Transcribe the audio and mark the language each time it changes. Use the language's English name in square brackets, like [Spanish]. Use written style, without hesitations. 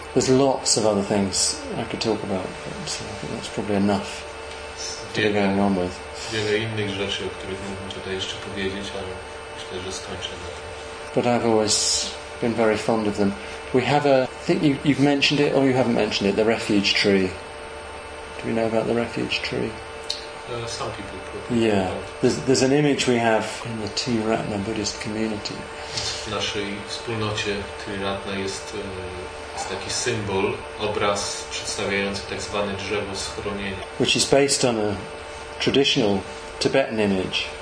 [English] There's lots of other things I could talk about, but I think that's probably enough to be going on with. [Polish] Wiele innych rzeczy, o których mógłbym tutaj jeszcze powiedzieć, ale myślę, że skończę na tym. [English] But I've always been very fond of them. We have I think you've mentioned it, or you haven't mentioned it, the refuge tree. Do you know about the refuge tree? Some people probably know. Yeah. There's an image we have in the Tiratna Buddhist community. [Polish] W naszej wspólnocie Tiratna jest jest taki symbol, obraz przedstawiający tak zwane drzewo schronienia. [English] Which is based on a traditional Tibetan image.